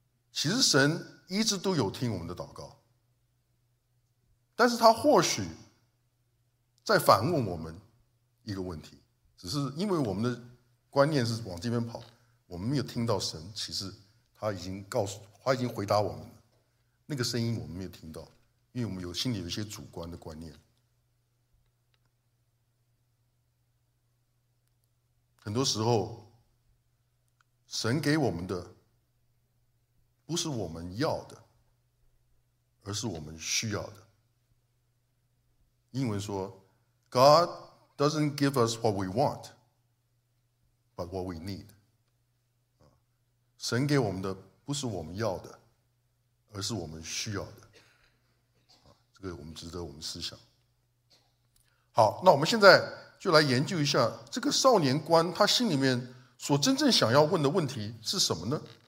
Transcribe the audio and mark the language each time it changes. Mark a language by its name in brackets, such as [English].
[Chinese] 其实神一直都有听我们的祷告，但是他或许在反问我们一个问题，只是因为我们的观念是往这边跑，我们没有听到神，其实他已经告诉，他已经回答我们了，那个声音我们没有听到，因为我们有心里有一些主观的观念。很多时候，神给我们的不是我们要的，而是我们需要的。英文说 [English] ，God doesn't give us what we want, but what we need。 [Chinese] 神给我们的不是我们要的，而是我们需要的。这个我们值得我们思想。好，那我们现在就来研究一下这个少年官他心里面所真正想要问的问题是什么呢？